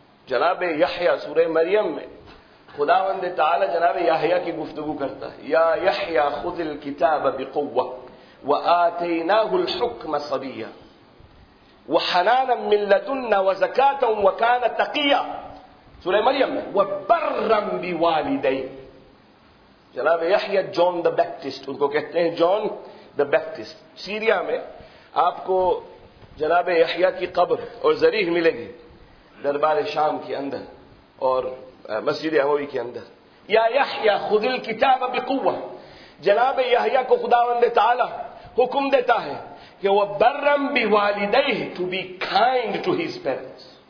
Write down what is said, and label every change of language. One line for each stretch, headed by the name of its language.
Urdu: جناب یحییٰ سورہ مریم میں خداوند تعالی جناب یحییٰ کی گفتگو کرتا ہے،
Arabic: یا یحییٰ خذ الکتاب بقوہ وآتیناہ الحکم صبیہ وحنانا من لدنا وزکاۃ وکان تقیہ.
Urdu: سورہ مریم میں وبرم بوالدی. جناب یحییٰ جان دا بیپٹسٹ، ان کو کہتے ہیں جان دا بیپٹسٹ. سیریا میں آپ کو جناب یحییٰ کی قبر اور ذریح ملے گی دربار شام کے اندر اور مسجد اموی کے اندر.
Arabic: یا یحییٰ خذ الکتاب بقوہ،
Urdu: جناب یحییٰ کو خداوند تعالی حکم دیتا ہے کہ
Arabic: وہ برم بوالدیہ،
English: To be kind to his parents.